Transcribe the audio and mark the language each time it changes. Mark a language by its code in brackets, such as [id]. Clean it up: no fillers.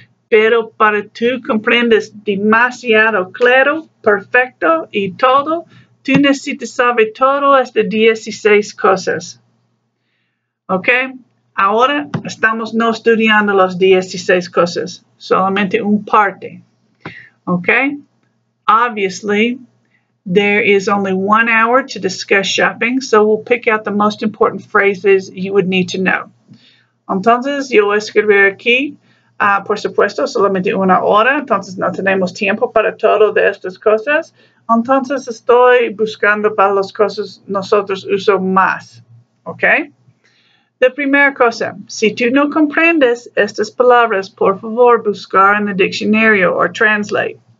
[es] Pero para tú comprendes demasiado claro, perfecto y todo, tú necesitas saber todo estas 16 cosas. ¿Ok? Ahora estamos no estudiando las 16 cosas, solamente un parte. ¿Ok? [en] Obviously, there is only 1 hour to discuss shopping, so we'll pick out the most important phrases you would need to know. [es] Entonces, yo escribiré aquí. Por supuesto, solamente una hora, entonces no tenemos tiempo para todo de estas cosas. Entonces estoy buscando para las cosas nosotros uso más, ¿ok? La primera cosa, si tú no comprendes estas palabras, por favor buscar en el diccionario o translate.